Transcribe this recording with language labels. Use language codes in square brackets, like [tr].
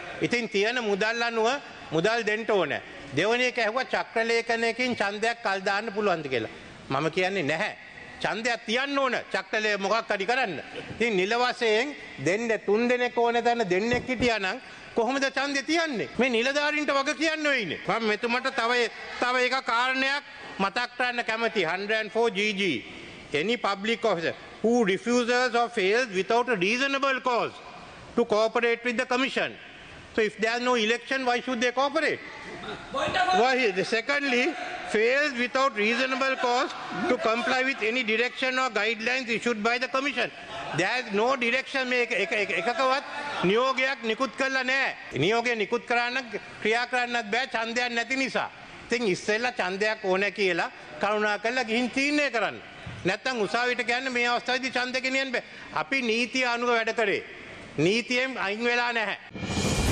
[si] ඉතින් තියෙන මුදල් අනුව මුදල් දෙන්න ඕනේ. දෙවෙනි එක ඇහුවා චක්‍ර ලේඛනයකින් ඡන්දයක් කල් දාන්න පුළුවන්ද කියලා. මම කියන්නේ නැහැ. ඡන්දයක් තියන්න ඕන චක්‍රලේ මොකක් හරි කරන්න. ඉතින් නිල වශයෙන් දෙන්න 3 දෙනෙක් ඕන තැන දෙන්නෙක් හිටියා නම් කොහොමද ඡන්දය තියන්නේ? මේ නිලධාරින්ට වග කියන්නේ වෙයිනේ. මම මෙතුමට තව එක කාරණයක් මතක් කරන්න කැමති. [en] 104GG. Any public officer who refuses or fails without a reasonable cause to cooperate with the commission. So if there's no election, why should they cooperate? Secondly, fails without reasonable cause to comply with any direction or guidelines issued by the commission. There is no direction. [si] එකකවත් නියෝගයක් නිකුත් කරලා නැහැ. නියෝගය නිකුත් කරන්න ක්‍රියා කරන්නත් බෑ ඡන්දයක් නැති නිසා. ඉතින් ඉස්සෙල්ලා ඡන්දයක් ඕනේ කියලා කරුණාකරලා ගිහින් තීන්දුව කරන්න. නැත්තම් උසාවියට කියන්නේ මේ අවස්ථාවේදී ඡන්දෙ ගෙනියන්න බෑ. අපි නීතිය අනුව වැඩ කරේ. නීතියෙන් අයින් වෙලා නැහැ.